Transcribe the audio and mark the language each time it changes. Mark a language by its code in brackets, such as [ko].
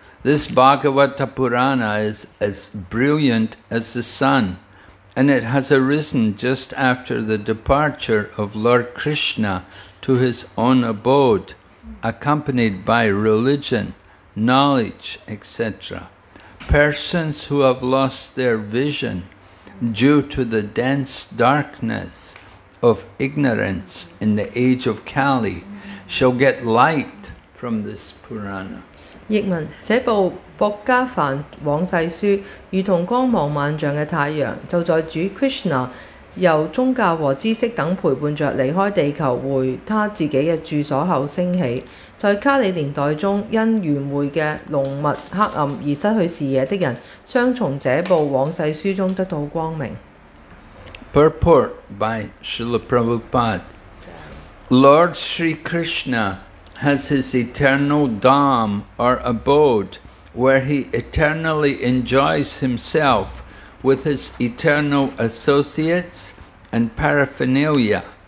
[en] This Bhagavata Purana is as brilliant as the sun, and it has arisen just after the departure of Lord Krishna to his own abode, accompanied by religion, knowledge, etc. Persons who have lost their vision due to the dense darkness of ignorance in the age of Kali shall get light from this Purana. [zh] 译文：这部《博加凡往世书》如同光芒万丈的太阳，就在主Krishna由宗教和知识等陪伴着离开地球，回他自己的住所后升起。在卡里年代中，因愚昧的浓密黑暗而失去视野的人，双重这部往世书中得到光明。 [en] Purport by Srila Prabhupada. Lord Sri Krishna has his eternal dham or abode where he eternally enjoys himself with his eternal associates and paraphernalia.